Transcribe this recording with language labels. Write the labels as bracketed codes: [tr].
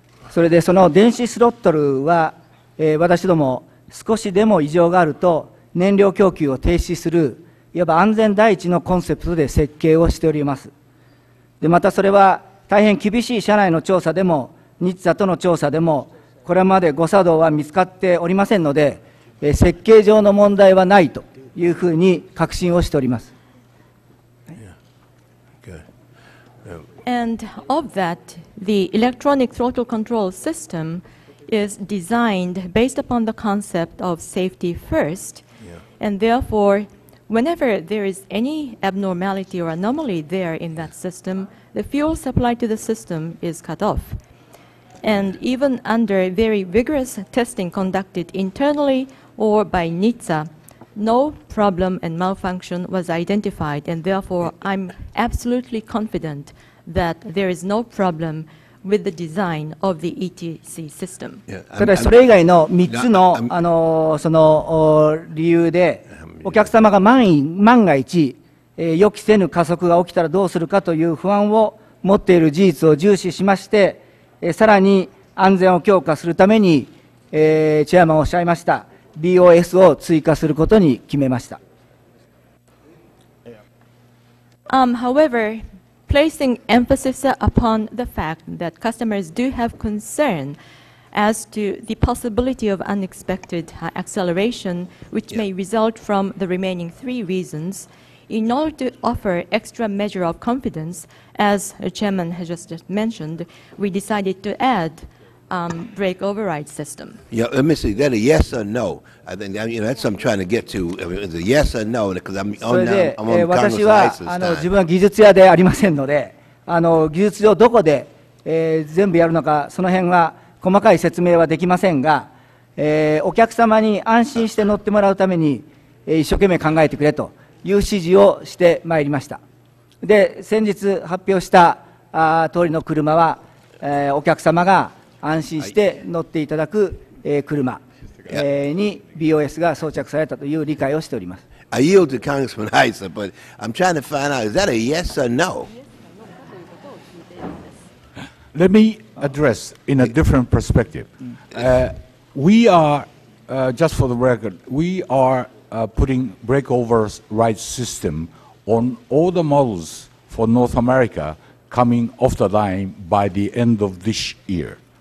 [ja] それでその電子スロットルは、私ども少しでも異常があると燃料供給を停止する、いわば安全第一のコンセプトで設計をしております。でまたそれは大変厳しい社内の調査でも、日座との調査でも、これまで誤作動は見つかっておりませんので、設計上の問題はないというふうに確信をしております。 [en] And of that, the electronic throttle control system is designed based upon the concept of safety first. Yeah. And therefore, whenever there is any abnormality or anomaly there in that system, the fuel supply to the system is cut off. And even under very rigorous testing conducted internally or by NHTSA, no problem and malfunction was identified. And therefore, I'm absolutely confident. That there is no problem with the design of the ETC system. [ja] ただそれ以外の3つの、その理由でお客様が万が一、予期せぬ加速が起きたらどうするかという不安を持っている事実を重視しまして、さらに安全を強化するために、チェアマンおっしゃいました BOS を追加することに決めました。 [en] However,Placing emphasis upon the fact that customers do have concern as to the possibility of unexpected acceleration, which may result from the remaining three reasons, in order to offer extra measure of confidence, as the chairman has just mentioned, we decided to add brake override system. Yeah, let me see. Is that a yes or no? I think, you know, that's what I'm trying to get to. Is it yes or no? Because I'm on the Congress license. [ja] 私は自分は技術屋でありませんので、技術上どこで、全部やるのか、その辺は細かい説明はできませんが、お客様に安心して乗ってもらうために、一生懸命考えてくれという指示をしてまいりました。で、先日発表した通りの車は、お客様が安心して乗っていただく車に BOS が装着されたという理解をしております。 [en] I yield to Congressman Heiser, but I'm trying to find out, is that a yes or no? Let me address in a different perspective. We are, just for the record, we are putting brake override system on all the models for North America coming off the line by the end of this year.